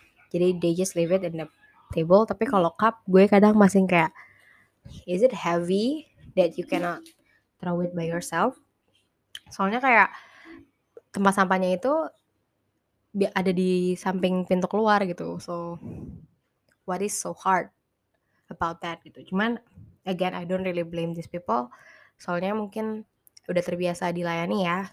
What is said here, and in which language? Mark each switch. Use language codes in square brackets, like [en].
[en] Jadi they just leave it in the table. [id] Tapi kalau cup, gue kadang masih kayak, [en] is it heavy that you cannot throw it by yourself? [id] Soalnya kayak tempat sampahnya itu ada di samping pintu keluar gitu. [en] So, what is so hard about that gitu. Cuman, again, I don't really blame these people. [id] Soalnya mungkin udah terbiasa dilayani ya.